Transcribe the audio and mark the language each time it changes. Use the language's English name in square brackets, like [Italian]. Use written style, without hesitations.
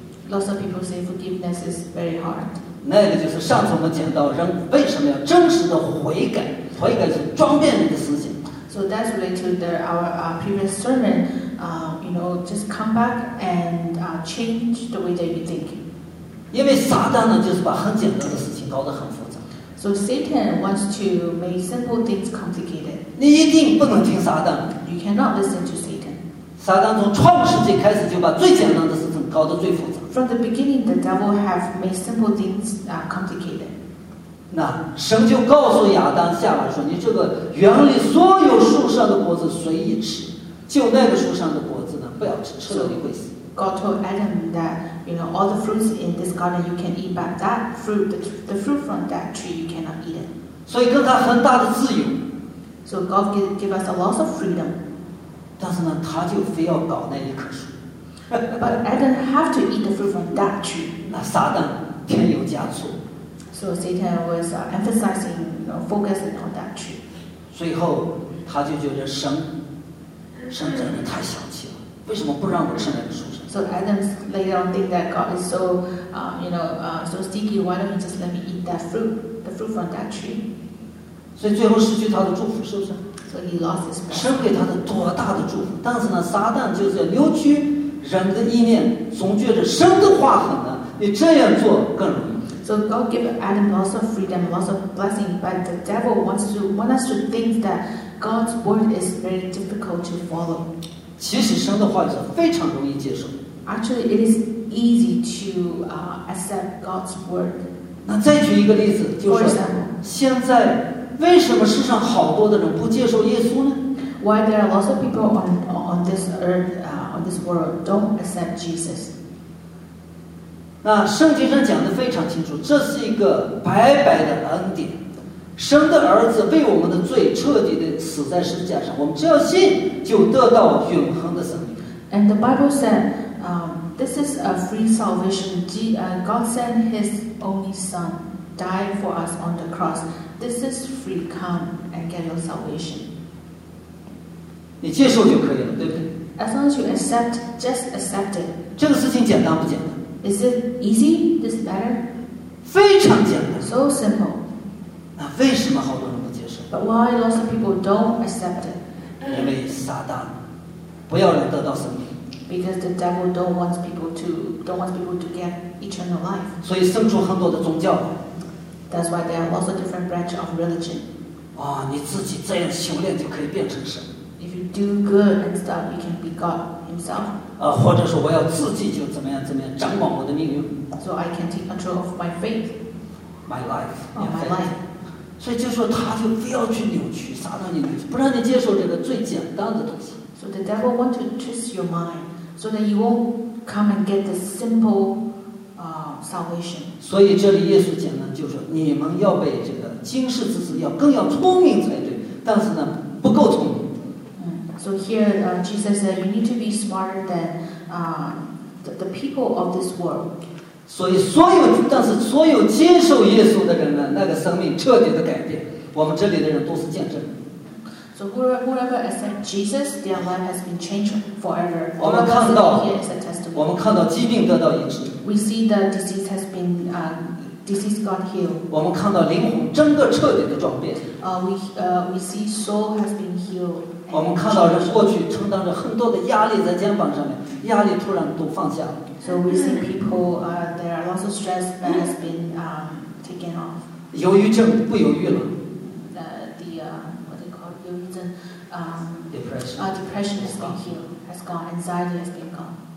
[English] Lots of people say forgiveness is very hard. [Chinese] 那个就是上次我们讲到，人为什么要真实的悔改？悔改是装变你的思想。 [English] So that's related to our previous sermon. You know, just come back and change the way that you think. [Chinese] 因为撒旦呢，就是把很简单的事情搞得很复杂。 [English] So Satan wants to make simple things complicated. [Chinese] 你一定不能听撒旦。 [English] You cannot listen to Satan. [Chinese] 撒旦从创世纪开始就把最简单的事情搞得最复杂。 [English] From the beginning, the devil have made simple things complicated. [Chinese] 那神就告诉亚当夏娃说：“你这个园里所有树上的果子随意吃。” 就那个树上的果子呢，不要吃，吃了你会死。 [English] God told Adam that you know all the fruits in this garden you can eat, but that fruit, the fruit from that tree, you cannot eat it. [Chinese] 所以给他很大的自由。 [English] So God give us a lot of freedom. [Chinese] 但是呢，他就非要搞那一棵树。 [English] But Adam have to eat the fruit from that tree. [Chinese] 那撒旦添油加醋。 [English] So Satan was emphasizing, focusing on that tree. [Chinese] 最后，他就觉得神。神真的太小气了，为什么不让我吃那个树上 [English] ？So Adam later on think that God is so, so sticky. Why don't you just let me eat that fruit, the fruit from that tree? [Chinese] 所以最后失去他的祝福，是不是 [English] ？So he lost his blessing. [Chinese] 神给他的多大的祝福？但是呢，撒旦就是扭曲人的意念，总觉得神的话很难，你这样做更容易。 [English] So God gave Adam lots of freedom, lots of blessing, but the devil wants us to think that. God's word is very difficult to follow. [Chinese] 其实神的话是非常容易接受。 [English] Actually, it is easy to accept God's word. [Chinese] 那再举一个例子，就是现在为什么世上好多的人不接受耶稣呢 [English] ？Why there are lots of people on this earth, on this world, don't accept Jesus? [Chinese] 那圣经上讲的非常清楚，这是一个白白的恩典。神的儿子为我们的罪彻底的死在十字架上，我们只要信就得到永恒的生命。 [English] And the Bible said, this is a free salvation. God sent His only Son, died for us on the cross. This is free. Come and get your salvation. [Chinese] 你接受就可以了，对不对 [English] ？As long as you accept, just accept it. [Chinese] 这个事情简单不简单 [English] ？Is it easy? This matter? [Chinese] 非常简单。 [English] So simple. [Chinese] 那为什么好多人不接受 [English] ？But why lots of people don't accept it？ [Chinese] 因为撒旦不要人得到生命。 [English] Because the devil don't want people to get eternal life。 [Chinese] 所以生出很多的宗教。 [English] That's why there are lots of different branches of religion。 [Chinese] 啊，你自己这样修炼就可以变成神。 [English] If you do good and stuff, you can be God himself。 [Chinese] 或者说我要自己就怎么样掌管我的命运。 [English] So I can take control of my fate。 My life。 Oh, my life。 [Chinese] 所以就说他就非要去扭曲，撒旦你扭曲，不让你接受这个最简单的东西。 [English] So the devil want to twist your mind, so that you won't come and get the simple, salvation. [Chinese] 所以这里耶稣讲呢，就说你们要被这个今世之子要更要聪明才对，但是呢不够聪明。 [English] So here, Jesus said, you need to be smarter than, the people of this world. [Chinese] 所以所有，但是所有接受耶稣的人呢，那个生命彻底的改变。我们这里的人都是见证。 [English] So whoever accept Jesus, their life has been changed forever. [Chinese] 我们看到， [English] here is a testimony. [Chinese] 我们看到疾病得到医治。 [English] We see the disease has been, disease got healed. [Chinese] 我们看到灵魂整个彻底的转变。 [English] We see soul has been healed. [Chinese] 我们看到人过去承担着很多的压力在肩膀上面，压力突然都放下了。 [English] So we see people, there are lots of stress that has been, taken off. [Chinese] 忧郁症不忧郁了。 [English] What they call 忧郁症 Depression. Depression has been healed, has gone. Anxiety has been gone.